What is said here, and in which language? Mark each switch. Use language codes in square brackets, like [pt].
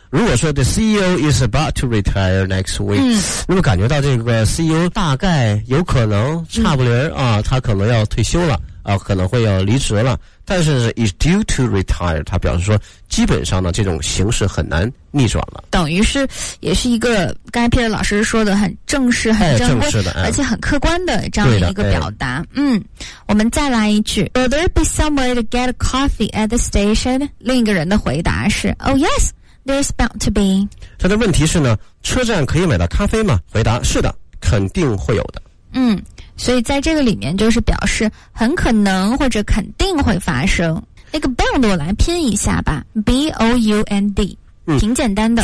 [zh] 如果说 [en] the CEO is about to retire next week, [zh] 那么感觉到这个 CEO 大概有可能差不离啊，他可能要退休了啊，可能会要离职了，但是 [en] is due to retire, [zh] 他表示说基本上呢这种形势很难逆转了。等于是也是一个刚才 Peter 老师说的很正式很正式的，而且很客观的这样的一个表达。我们再来一句。 [en] Will there be somewhere to get a coffee at the station? [zh] 另一个人的回答是 [en] Oh yes, there's bound to be. [zh] 他的问题是呢，车站可以买到咖啡吗？回答是的，肯定会有的。所以在这个里面就是表示很可能或者肯定会发生。那个 bound 我来拼一下吧 ,B-O-U-N-D, 挺简单的。